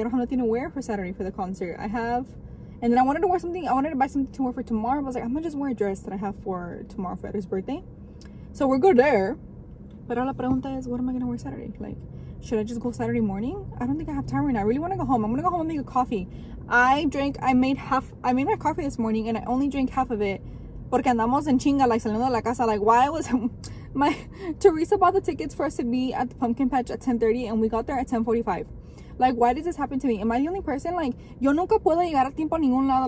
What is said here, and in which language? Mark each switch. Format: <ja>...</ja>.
<en>I don't have nothing to wear for Saturday for the concert. And then I wanted to buy something to wear for tomorrow. I was like, I'm gonna just wear a dress that I have for tomorrow for Eder's birthday. So we're good there. But</en> <es>la pregunta</es> <en>is, what am I gonna wear Saturday? Like, should I just go Saturday morning? I don't think I have time right now. I really wanna go home. I'm gonna go home and make a coffee. I made my coffee this morning and I only drank half of it.</en> <es>Porque andamos en chinga, like saliendo de la casa.</es> <en>Like, why was my Teresa bought the tickets for us to be at the pumpkin patch at 10:30 and we got there at 10:45. Like, why does this happen to me? Am I the only person?</en> <es>Like, yo nunca puedo llegar a tiempo a ningún lado.</es>